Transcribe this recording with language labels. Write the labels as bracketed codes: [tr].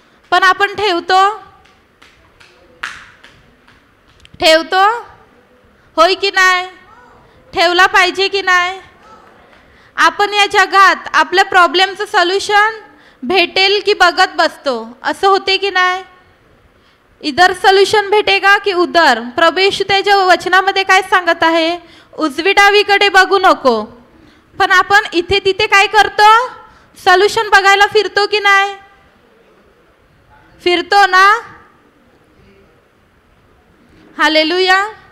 [mr] पण आपण ठेवतो ठेवतो होय की नाही, ठेवला पाहिजे की नाही? आपण या जगात आपल्या प्रॉब्लेमचं सोल्यूशन भेटेल की बघत बसतो, असं होते की नाही? [hi] इधर सोल्यूशन भेटेगा की उधर? [mr] प्रभू येशू त्याच्या वचनामध्ये काय सांगत आहे, उजवी डावीकडे बघू नको। पण आपण इथे तिथे काय करतो, सोल्यूशन बघायला फिरतो की नाही? फिरतो ना, हालेलुया।